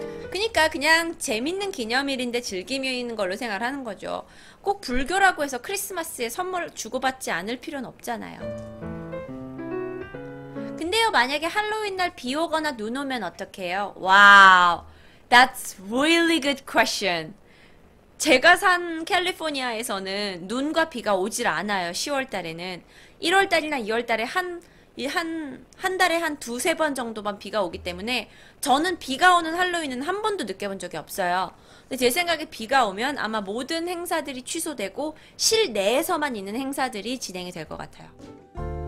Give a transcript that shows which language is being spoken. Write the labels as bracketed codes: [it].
[ko] 그러니까 그냥 재밌는 기념일인데 즐기는 걸로 생각하는 거죠. 꼭 불교라고 해서 크리스마스에 선물 주고받지 않을 필요는 없잖아요. 근데요, 만약에 할로윈 날비 오거나 눈 오면 어떡해요? [en] 와우, that's really good question. [ko] 제가 산 캘리포니아에서는 눈과 비가 오질 않아요. 10월 달에는 1월 달이나 2월 달에 한 달에 한 두세 번 정도만 비가 오기 때문에 저는 비가 오는 할로윈은 한 번도 느껴본 적이 없어요. 근데 제 생각에 비가 오면 아마 모든 행사들이 취소되고 실내에서만 있는 행사들이 진행이 될것 같아요.